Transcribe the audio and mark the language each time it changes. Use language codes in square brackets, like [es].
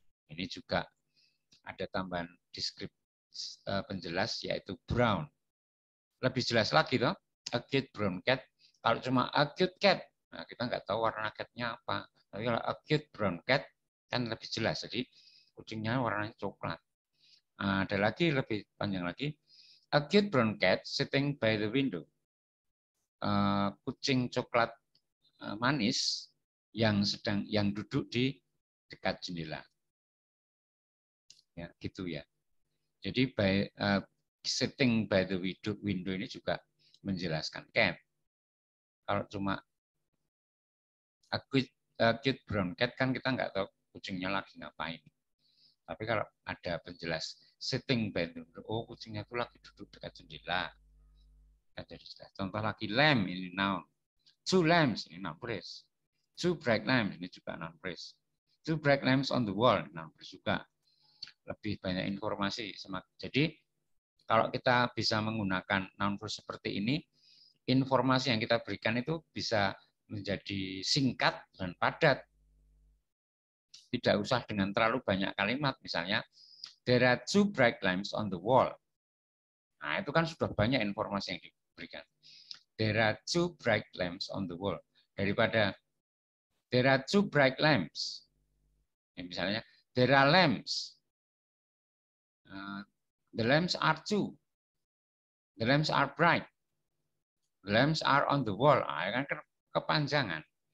[id] Ini juga ada tambahan deskripsi penjelas yaitu brown. Lebih jelas lagi toh, [en] a cute brown cat. [id] Kalau cuma [en] a cute cat, [id] nah kita nggak tahu warna catnya apa. Tapi kalau a cute brown cat kan lebih jelas. Jadi kucingnya warnanya coklat. Ada lagi lebih panjang lagi. [en] A cute brown cat sitting by the window. [id] Kucing coklat manis yang sedang yang duduk di dekat jendela. Ya, gitu ya. Jadi by [en] sitting by the window [id] ini juga menjelaskan cat. Kalau cuma [en] a cute brown cat [id] kan kita nggak tahu kucingnya lagi ngapain. Tapi kalau ada penjelas [en] sitting by the window, [id] oh kucingnya itu lagi duduk dekat jendela. Kan jadi jelas. Contoh lagi lamb ini noun. Two lambs ini noun phrase. [en] Two bright lambs [id] ini juga [en] noun phrase. Two bright lambs on the wall noun phrase juga. [id] Lebih banyak informasi. Jadi kalau kita bisa menggunakan noun phrase seperti ini, informasi yang kita berikan itu bisa menjadi singkat dan padat. Tidak usah dengan terlalu banyak kalimat. [en] Misalnya, there are two bright lamps on the wall. [id] Nah, itu kan sudah banyak informasi yang diberikan. [en] There are two bright lamps on the wall. Daripada, there are two bright lamps. Ya, misalnya, there are lamps. The lamps are two. The lamps are bright. The lamps are on the wall. [id] Ah, kan kepanjangan.